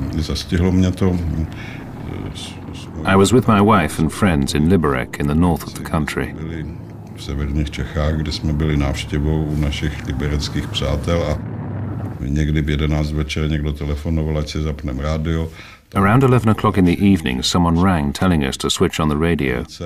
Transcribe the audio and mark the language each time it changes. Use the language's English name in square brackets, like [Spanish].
[English] I was with my wife and friends in Liberec in the north of the country. [Czech] V severních Čechách, kde jsme byli návštěvou u našich libereckých přátel a někdy v 11 večer někdo telefonoval, ať si zapneme rádio. [English] Around 11 o'clock in the evening, someone rang telling us to switch on the radio.